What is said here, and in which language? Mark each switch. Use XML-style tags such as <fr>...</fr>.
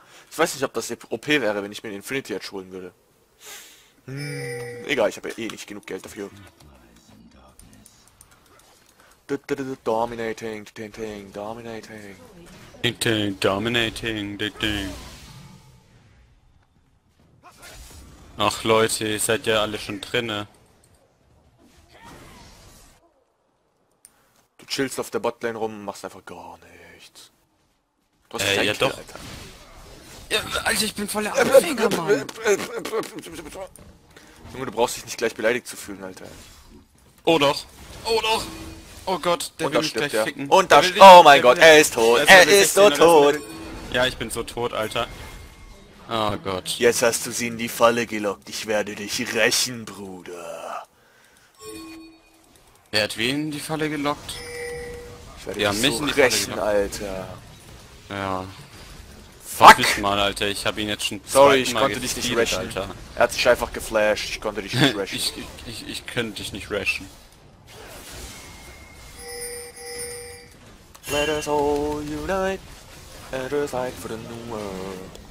<de>Ich weiß nicht, ob das OP wäre, wenn ich mir den Infinity jetzt holen würde. Egal, ich habe ja eh nicht genug Geld dafür.</de> <en>Dominating, ting-ting, dominating. Ting-ting, dominating, ting-ting.</en> <de>Ach Leute, ihr seid ja alle schon drinne. Du chillst auf der Botlane rum und machst einfach gar nichts. Du hast ja doch. Alter, ich bin voller Anfänger, Mann. Junge, du brauchst dich nicht gleich beleidigt zu fühlen, Alter. Oh doch. Oh doch. Oh Gott, der will mich gleich ficken. Oh mein Gott, er ist tot. Er ist so tot. Ja, ich bin so tot, Alter. Oh Gott. Jetzt hast du sie in die Falle gelockt. Ich werde dich rächen, Bruder. Wer hat wen in die Falle gelockt? Ich werde dich so rächen, Alter. Ja. Fuck! Sag ich mal, Alter, ich habe ihn jetzt schon zweimal gespielt, Alter. Sorry, ich konnte dich nicht rächen, Alter. Er hat sich einfach geflasht, ich konnte dich nicht rächen. ich könnte dich nicht rächen.</de> <en>Let us all unite and fight for the new world.</en>